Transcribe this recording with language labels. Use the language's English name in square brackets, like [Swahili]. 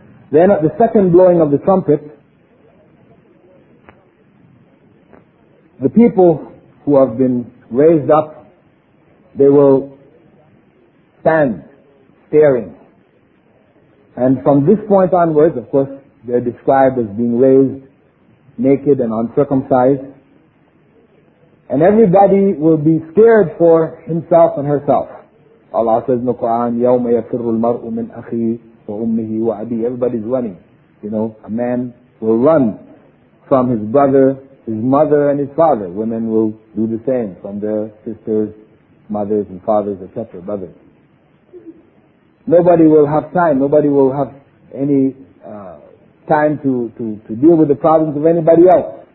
[English] Then at the second blowing of the trumpet, the people who have been raised up, they will stand staring. And from this point onwards, of course, they're described as being raised naked and uncircumcised. And everybody will be scared for himself and herself. Allah says in the Quran, [Arabic] يَوْمَ يَفِرُّ الْمَرْءُ مِنْ أَخِيهِ وَأُمِّهِ وَأَبِيهِ. [English] Everybody's running. You know, a man will run from his brother, his mother and his father. Women will do the same from their sisters, mothers and fathers, etc., brothers. Nobody will have time. Nobody will have any time to deal with the problems of anybody else.